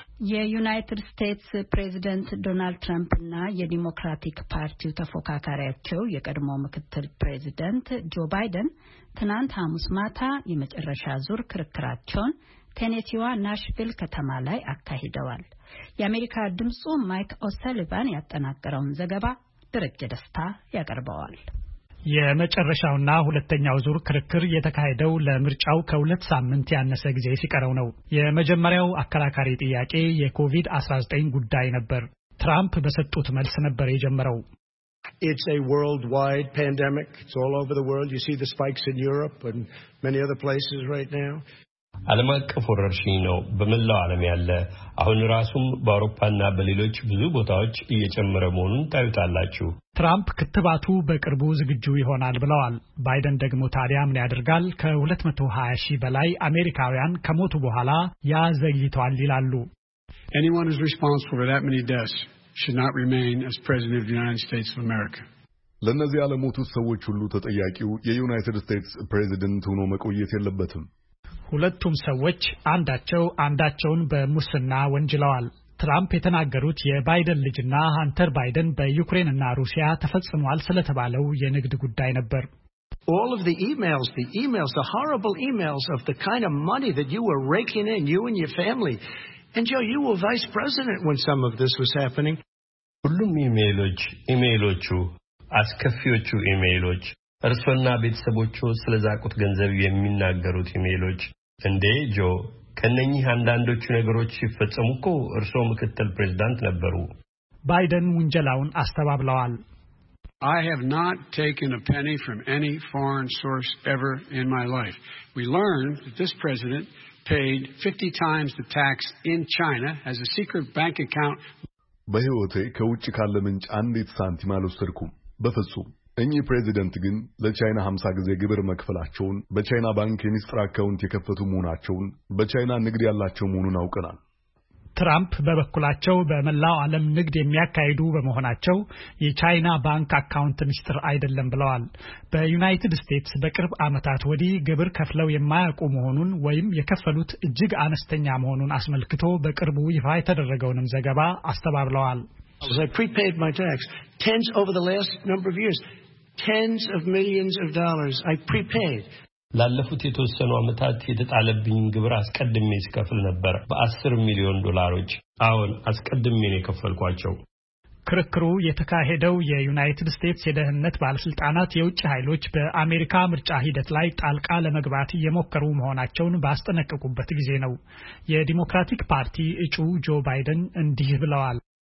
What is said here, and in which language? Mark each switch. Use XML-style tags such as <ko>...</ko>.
<am>የዩናይትድ ስቴትስ ፕሬዝደንት ዶናልድ ትራምፕ እና የዲሞክራቲክ ፓርቲው ተፎካካሪያቸው የቀድሞ ምክትል ፕሬዝደንት ጆ ባይደን ትናንት ሐሙስ ማታ የመጨረሻ ዙር ክርክራቸውን ቴኔሲዋ ናሽቪል ከተማ ላይ አካሂደዋል። የአሜሪካ ድምጹ ማይክ ኦሰሊቫን ያጠናቀረውን ዘገባ ድርጅ ደስታ ያቀርበዋል። የመጨረሻውና ሁለተኛው ዙር ክርክር የተካሄደው ለምርጫው ከሁለት ሳምንት ያነሰ ጊዜ ሲቀረው ነው። የመጀመሪያው አከራካሪ ጥያቄ የኮቪድ-19 ጉዳይ ነበር። ትራምፕ በሰጡት መልስ ነበር የጀመረው።</am> <en>It's a worldwide pandemic. It's all over the world. You see the spikes in Europe and many other places right now.</en> <am>ዓለም አቀፍ ወረርሽኝ ነው በመላው ዓለም ያለ አሁን ራሱም በአውሮፓና በሌሎች ብዙ ቦታዎች እየጨመረ መሆኑን ታዩታላችሁ። ትራምፕ ክትባቱ በቅርቡ ዝግጁ ይሆናል ብለዋል። ባይደን ደግሞ ታዲያ ምን ያደርጋል ከ220ሺ በላይ አሜሪካውያን ከሞቱ በኋላ ያ ዘግይቷል ይላሉ።</am> <en>Anyone who is responsible for that many deaths should not remain as president of the United States of America.</en> <am>ለነዚህ ዓለሙት ሰዎች ሁሉ ተጠያቂው የዩናይትድ ስቴትስ ፕሬዝዳንት ሆኖ መቆየት የለበትም። ሁለቱም ሰዎች አንዳቸው አንዳቸውን በሙስና ወንጅለዋል። ትራምፕ የተናገሩት የባይደን ልጅና ሃንተር ባይደን በዩክሬንና ሩሲያ ተፈጽሟል ስለተባለው የንግድ ጉዳይ ነበር።</am> <en>All of the emails, the horrible emails of the kind of money that you were raking in, you and your family. And Joe, you were vice president when some of this was happening.</en> <am>ሁሉም ኢሜይሎቹ አስከፊዎቹ ኢሜይሎች እርሶና ቤተሰቦቹ ስለዛቁት ገንዘብ የሚናገሩት ኢሜይሎች እንዴ ጆ ከነኚህ አንዳንዶቹ ነገሮች ይፈጸሙኮ እርሶ ምክትል ፕሬዝዳንት ነበሩ። ባይደን ወንጀላውን አስተባብለዋል።</am> <en>I have not taken a penny from any foreign source ever in my life. We learned that this president paid 50 times the tax in China as a secret bank account.</en> <am>በህይወቴ ከውጭ ካለ ምንጭ አንዲት ሳንቲም አልወሰድኩም በፍጹም። እኚህ ፕሬዚደንት ግን ለቻይና 50 ጊዜ ግብር መክፈላቸውን፣ በቻይና ባንክ የሚስጥር አካውንት የከፈቱ መሆናቸውን፣ በቻይና ንግድ ያላቸው መሆኑን አውቀናል። ትራምፕ በበኩላቸው በመላው ዓለም ንግድ የሚያካሂዱ በመሆናቸው የቻይና ባንክ አካውንት ሚስጥር አይደለም ብለዋል። በዩናይትድ ስቴትስ በቅርብ ዓመታት ወዲህ ግብር ከፍለው የማያውቁ መሆኑን ወይም የከፈሉት እጅግ አነስተኛ መሆኑን አስመልክቶ በቅርቡ ይፋ የተደረገውንም ዘገባ አስተባብለዋል።</am> <en>I prepaid my tax tens over the last number of years, tens of millions of dollars I prepaid.</en> <am>ላለፉት የተወሰኑ አመታት የተጣለብኝ ግብር አስቀድሜ ስከፍል ነበር በ10 ሚሊዮን ዶላሮች። አሁን አስቀድሜ ነው ከፈልኳቸው። ክርክሩ የተካሄደው የዩናይትድ ስቴትስ የደህንነት ባለስልጣናት የውጭ ኃይሎች በአሜሪካ ምርጫ ሂደት ላይ ጣልቃ ለመግባት እየሞከሩ መሆናቸውን ባስጠነቀቁበት ጊዜ ነው። የዲሞክራቲክ ፓርቲ እጩ ጆ ባይደን እንዲህ ብለዋል።</am>